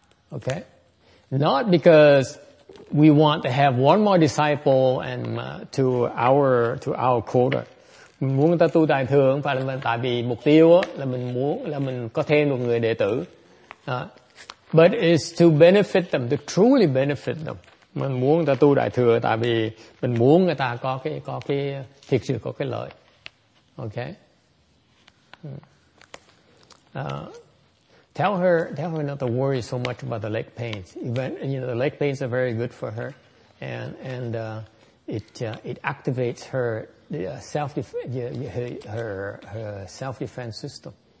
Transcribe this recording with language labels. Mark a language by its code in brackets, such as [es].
[en] Okay, not because we want to have one more disciple and to our quota. [vi] Mình muốn người ta tu đại thừa không phải là mình, tại vì mục tiêu là mình muốn là mình có thêm một người đệ tử. [en] But it's to benefit them, to truly benefit them. [vi] Mình muốn người ta tu đại thừa tại vì mình muốn người ta có cái thiệt sự có cái lợi. [en] Okay. Tell her not to worry so much about the leg pains. Even, you know, the leg pains are very good for her, and it activates her self defense system.